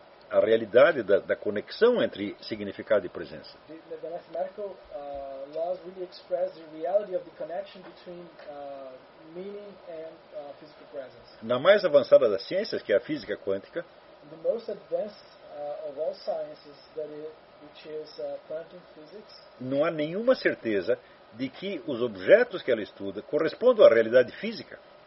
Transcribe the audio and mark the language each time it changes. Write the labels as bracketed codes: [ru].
[pt] a realidade da conexão entre significado e presença. [en] The mathematical laws really express the reality of the connection between meaning and physical presence. [pt] Na mais avançada das ciências, que é a física quântica, [en] the most advanced of all sciences, which is quantum physics, [pt] não há nenhuma certeza de que os objetos que ela estuda correspondam à realidade física.